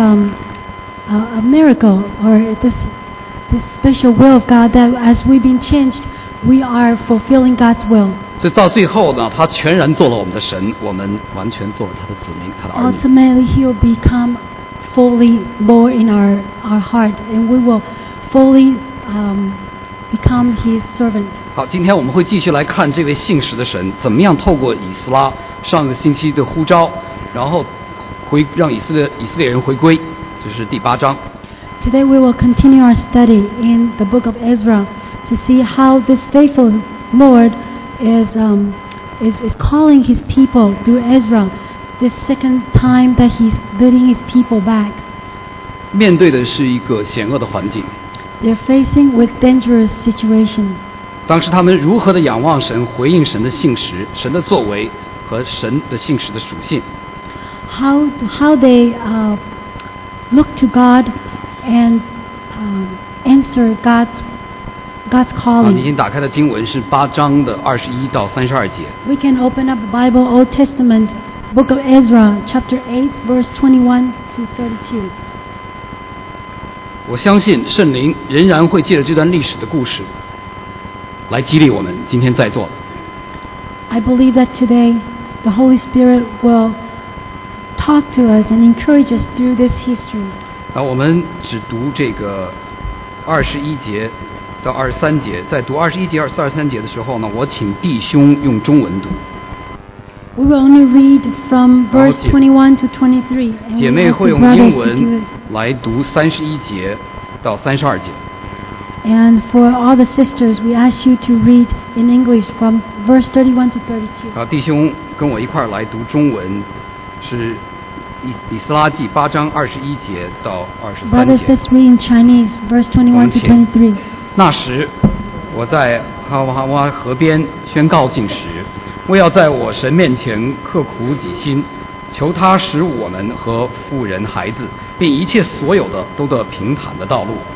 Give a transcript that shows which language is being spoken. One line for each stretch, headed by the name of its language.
English: It's a miracle or this special will of God that as we've been changed, we are fulfilling God's will.
Chinese: 所以到最后呢，他全然做了我们的神，我们完全做了他的子民，他的儿女。
English: Ultimately, He will become fully Lord in our heart, and we will fully become His servant.
Chinese: 好，今天我们会继续来看这位信实的神怎么样透过以斯拉上个星期的呼召，然后。让以色列人回归，这是第八章。
English: Today we will continue our study in the book of Ezra to see how this faithful Lord is calling his people through Ezra, this second time that he's leading his people back.
Chinese: 面对的是一个险恶的环境。
English: They're facing with dangerous situation.
Chinese: 当时他们如何的仰望神，回应神的信实、神的作为和神的信实的属性。
English: How they look to God and answer God's calling.
Chinese: 已经打开的经文是八章的21-32节。
English: We can open up the Bible, Old Testament, Book of Ezra, Chapter 8, Verse 21-32.
Chinese: 我相信圣灵仍然会借着这段历史的故事来激励我们今天在座的。
English: I believe that today the Holy Spirit will. Talk to us and encourage us through this history.
Chinese: 我们只读这个二十一节到二十三节，在读二十一节、二十三节的时候呢，我请弟兄用中文读。
English: We will only read from verse 21 to 23.
Chinese: 姐妹会用英文来读三十一节到三十二节。
English: And for all the sisters, we ask you to read in English from verse 31 to 32.
Chinese: 弟兄跟我一块来读中文，是以斯拉记八章二十一节到二十三节。
English: Brothers, let's read in Chinese, verse 21 to 23.
Chinese: 那时，我在哈哈哇河边宣告禁食。我要在我神面前刻苦己心，求他使我们和妇人孩子并一切所有的都得平坦的道路。